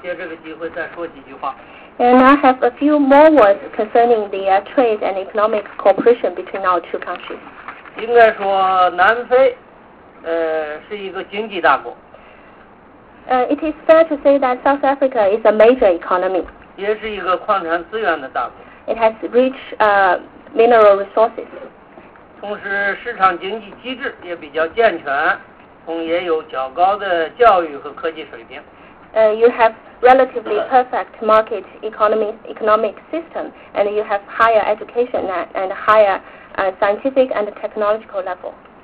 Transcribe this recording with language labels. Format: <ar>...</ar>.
<en>And I have a few more words concerning the trade and economic cooperation between our two countries.</en> <zh>应该说南非是一个经济大国。</zh> <en>It is fair to say that South Africa is a major economy.</en> <zh>也是一个矿产资源的大国。</zh> <en>It has rich mineral resources.</en> <zh>同时市场经济机制也比较健全。也有较高的教育和科技水平。</zh> <en>You have relatively perfect market economic system, and you have higher education and higher scientific and technological level.</en>